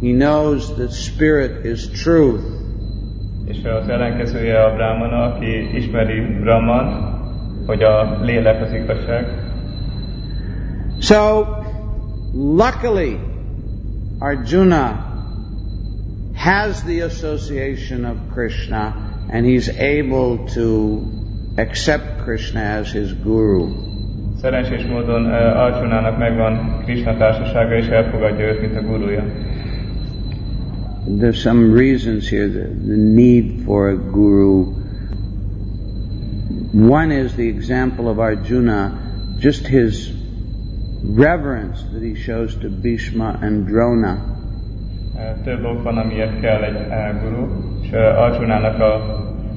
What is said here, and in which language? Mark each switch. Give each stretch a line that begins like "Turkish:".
English: He knows that spirit is truth.
Hungarian: És az ellenkezője a brahmana, aki ismeri Brahman, hogy a lélek az igazság.
English: So, luckily, Arjuna has the association of Krishna, and he's able to accept Krishna as his guru.
Hungarian: Szerencsés módon Arjunának megvan Krishna társasága, és elfogadja őt, mint a gurúja.
English: There's some reasons here, the need for a guru. One is the example of Arjuna, just his reverence that he shows to Bhishma and Drona.
Hungarian: Több ok van, amiért kell egy guru, és Arjunának a